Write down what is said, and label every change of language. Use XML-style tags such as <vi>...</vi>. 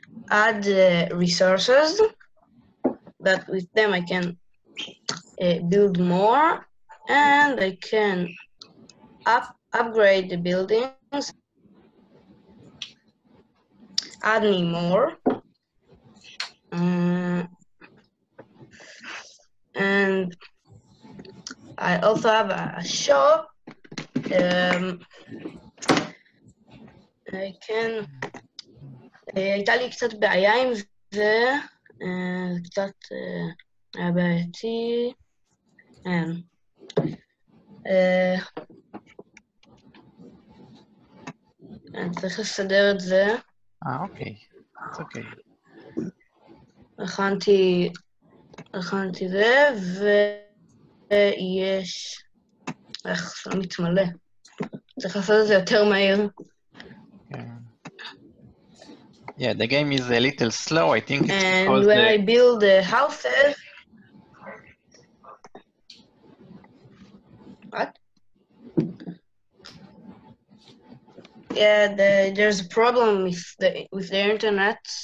<en>add resources that with them I can build more, and I can upgrade the buildings, add me more, and I also have a shop.</en> <he>כן, הייתה לי קצת בעיה עם זה, קצת היה בעייתי. אני צריך לסדר את זה. אוקיי, זה אוקיי. הכנתי זה, ויש... איך, זה לא מתמלא. צריך לעשות את זה יותר מהיר.</he> <en>Yeah, the game is a little slow, I think it's and because when the... I build the houses... What? Yeah, there's a problem with the internet.</en>